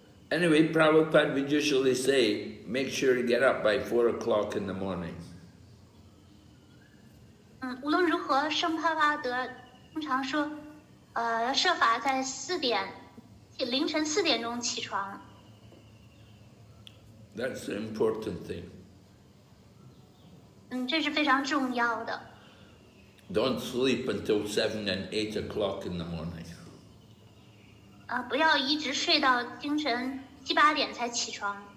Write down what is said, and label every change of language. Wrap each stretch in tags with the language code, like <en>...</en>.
<en>Anyway, Prabhupada would usually say, make sure to get up by 4 o'clock in the morning.</en> <zh>无论如何，圣帕巴德通常说，要设法在凌晨四点钟起床。</zh> <en>That's an important thing.</en> <zh>这是非常重要的。</zh> <en>Don't sleep until 7 and 8 o'clock in the morning.</en> <zh>不要一直睡到凌晨七八点才起床。</zh>